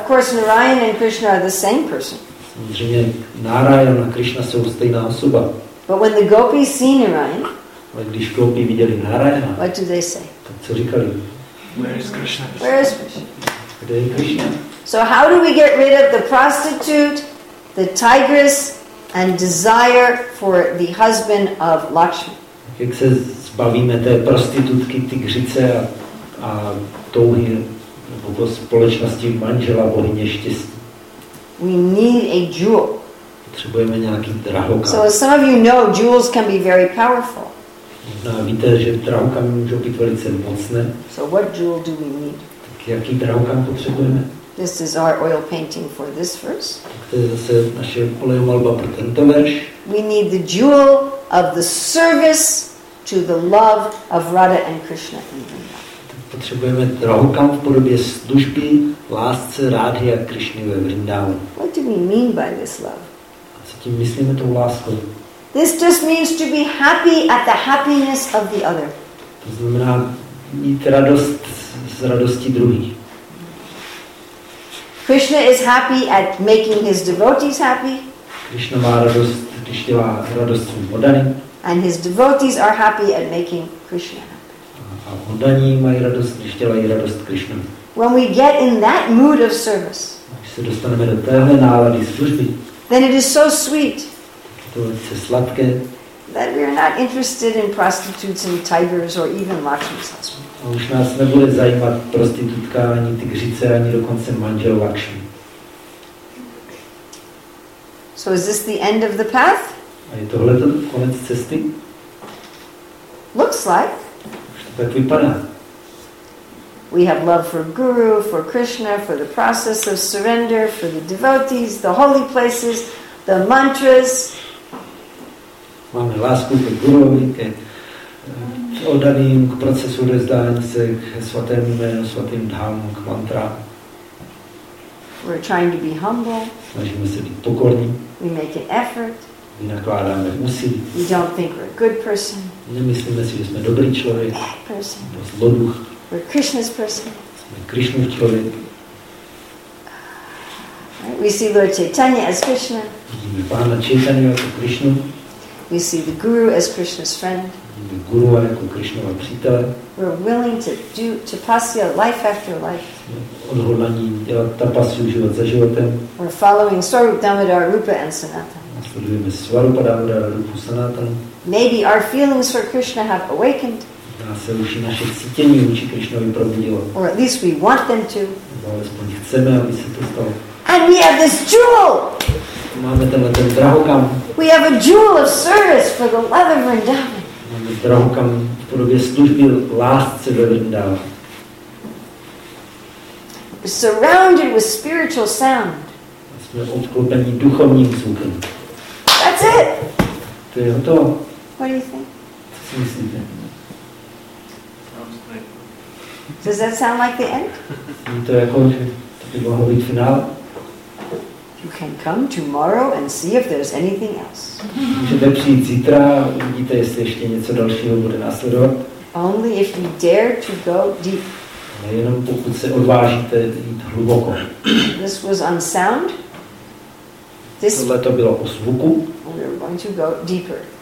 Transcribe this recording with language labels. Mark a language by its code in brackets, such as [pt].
[en] Of course, Narayan and Krishna are the same person. [cs] Samozřejmě Narayan a Krishna jsou stejná osoba. [en] But when the gopis see Narayan, [cs] ale když gopi viděli Narayana, [en] what do they say? [cs] Tak co říkali? [en] Where is Krishna? [cs] Kde je Krishna? [en] So how do we get rid of the prostitute, the tigress, and desire for the husband of Lakshmi? [cs] Jak se zbavíme té prostitutky, tygřice a touhy nebo společnosti manžela bohyně štěstí? [en] We need a jewel. [cs] Potřebujeme nějaký drahokam. [en] So as some of you know, jewels can be very powerful. [cs] No, víte, že drahokamy můžou být velice mocné. [en] So what jewel do we need? [cs] Tak jaký drahokam potřebujeme? [en] This is our oil painting for this verse. [cs] Tak to je zase naše olejomalba pro tento verš. [en] We need the jewel of the service to the love of Radha and Krishna. [cs] Potřebujeme drahokam v podobě služby, lásce, Rádhy a Krišny ve Vrindavu. [en] What do we mean by this love? [cs] A co tím myslíme tou láskou? [en] This just means to be happy at the happiness of the other. [cs] To znamená mít radost z radosti druhých. [en] Krishna is happy at making his devotees happy. [cs] Krishna má radost, když dělá radost svým oddaným. [en] And his devotees are happy at making Krishna happy. [cs] A oddaní mají radost, když dělají radost Krishna. [en] When we get in that mood of service, [cs] když se dostaneme do téhle nálady služby, [en] then it is so sweet, [cs] to je velice sladké, [en] that we are not interested in prostitutes and tigers or even Lakshmi's husband. [cs] A už nás nebude zajímat prostitutka, ani tygřice, ani dokonce manžel Lakshmi. [en] So is this the end of the path? [cs] A je tohle to konec cesty? [en] Looks like. [cs] Tak vypadá. [en] We have love for Guru, for Krishna, for the process of surrender, for the devotees, the holy places, the mantras. [cs] Máme lásku ke Guruvi, ke oddaným, k procesu rozdání se, k svatém jménu, svatým dhamům, k mantra. [en] We're trying to be humble. [cs] Snažíme se být pokorní. [en] We make an effort. [cs] My nakládáme úsilí. [en] We don't think we're a good person. [cs] Nemyslíme si, že jsme dobrý člověk. Nebo zloduch. [en] We're Krishna's person. [cs] Jsme Krishnův člověk. [en] We see Lord Chaitanya as Krishna. [cs] Vidíme Pána Chaitanya jako Krishnu. [en] We see the Guru as Krishna's friend. [cs] Vidíme Guru jako Krishnova přítele. [en] We're willing to do tapasya life after life. [cs] Odhodlaní dělat tapasu život za životem. [en] We're following Swarup Damodara Rupa and Sanatana. [cs] Sledujeme Svarupa Damodara Rupu Sanatana. [en] Maybe our feelings for Krishna have awakened. [cs] Zdá se, už naše cítění vůči Krishnovi probudilo. [en] Or at least we want them to. [cs] Nebo alespoň chceme, aby se to stalo. [en] And we have this jewel. [cs] Máme tenhle ten drahokam. [en] We have a jewel of service for the love of Vrindavan. [cs] Máme drahokam v podobě služby lásce ve Vrindavan. [en] Surrounded with spiritual sound. [cs] Jsme obklopeni duchovním zvukem. [en] That's it. [cs] To je hotovo. [en] What do you think? [cs] Co si myslíte? [en] Does that sound like the end? [cs] To je jako, že to by mohlo být finál. [en] You can come tomorrow and see if there's anything else. [cs] Můžete přijít zítra, uvidíte, jestli ještě něco dalšího bude následovat. [en] Only if you dare to go deep. [cs] Ale jenom pokud se odvážíte jít hluboko. [en] This was on sound. [cs] Tohle to bylo o zvuku. [en] We're going to go deeper.